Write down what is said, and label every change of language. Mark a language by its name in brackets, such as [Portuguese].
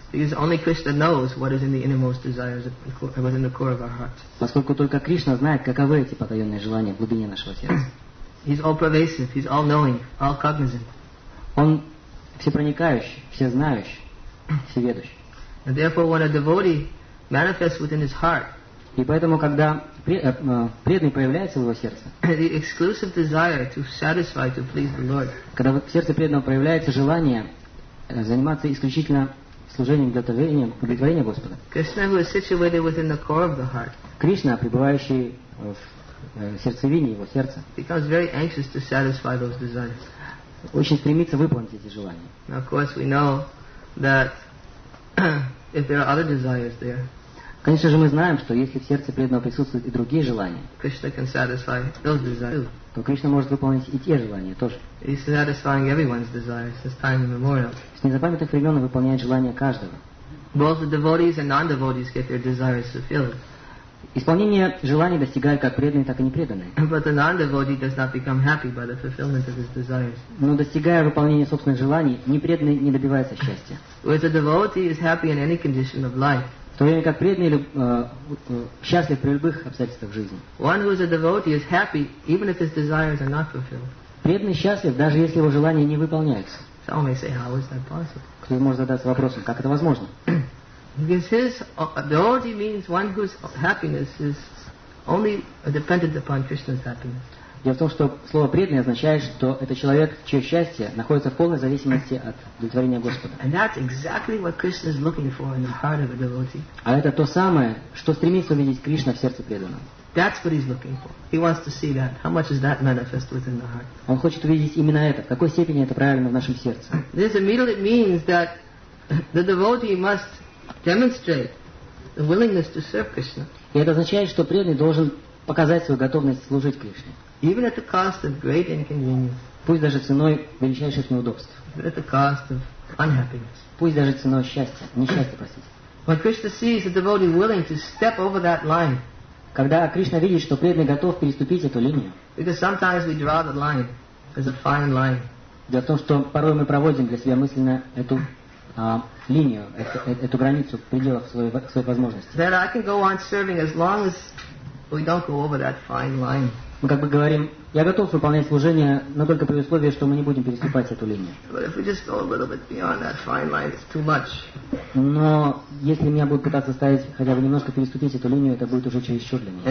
[English] Because only Krishna knows what is in the innermost desires within the core of our hearts. [Russian] Поскольку только Кришна знает, каковы эти потаенные желания в глубине нашего сердца. [English] He's all pervasive, he's all knowing, all cognizant. [Russian] Он всепроникающий, всезнающий, всеведущий. [English] And therefore, when a devotee manifests within his heart, [Russian] и поэтому, когда преданный проявляется в его сердце, [English] the exclusive desire to satisfy, to please the Lord, [Russian] когда в сердце преданного проявляется желание заниматься исключительно служением, удовлетворением Господа, [English] Krishna, who is situated within the core of the heart, [Russian] Кришна, пребывающий в сердцевине его сердца, [English] becomes very anxious to satisfy those desires. [Russian] Очень стремится выполнить эти желания. [English] Now, of course, we know that if there are other desires there, [Russian] конечно же, мы знаем, что если в сердце преданного присутствуют и другие желания, [English] Krishna can satisfy those desires, [Russian] то Кришна может выполнить и те желания тоже. [English] He's satisfying everyone's desires since time immemorial. [Russian] С незапамятных времен он выполняет желания каждого. [English] Both the devotees and non-devotees get their desires fulfilled. [Russian] Исполнение желаний достигает как преданные, так и непреданные. [English] But the non-devotee does not become happy by the fulfillment of his desires. [Russian] Но достигая выполнения собственных желаний, непреданный не добивается счастья. [English] Whereas a devotee is happy in any condition of life, [Russian] в то время как преданный счастлив при любых обстоятельствах жизни. [English] One who is a devotee is happy even if his desires are not fulfilled. [Russian] Преданный счастлив, даже если его желания не выполняются. [English] Some may say, how is that possible? [Russian] Кто-то может задаться вопросом, как это возможно? [English] Because his devotee means one whose happiness is only dependent upon Krishna's happiness. [Russian] Дело в том, что слово преданный означает, что это человек, чье счастье находится в полной зависимости от удовлетворения Господа. [English] And that's exactly what Krishna is looking for in the heart of a devotee. [Russian] А это то самое, что стремится увидеть Кришна в сердце преданного. [English] That's what he's looking for. He wants to see that. How much is that manifest within the heart? [Russian] Он хочет увидеть именно это. В какой степени это проявлено в нашем сердце? [English] This immediately means that the devotee must demonstrate the willingness to serve Krishna. [Russian] И это означает, что преданный должен показать свою готовность служить Кришне. [English] Even at the cost of great inconvenience. [Russian] Пусть даже ценой величайших неудобств. [English] Even at the cost of unhappiness. [Russian] Пусть даже ценой счастья, несчастья, простите. [English] When Krishna sees a devotee willing to step over that line. [Russian] Когда Кришна видит, что преданный готов переступить эту линию. [English] Because sometimes we draw the line as a fine line. [Russian] Дело в том, что порой мы проводим для себя мысленно эту линию, эту границу в пределах своих возможностей. [English] That I can go on serving as long as we don't go over that fine line. [Russian] Мы как бы говорим, я готов выполнять служение, но только при условии, что мы не будем переступать эту линию. [English] But if we just go a little bit beyond that fine line, it's too much. [Russian] Но если меня будут пытаться ставить хотя бы немножко переступить эту линию, это будет уже чересчур для меня.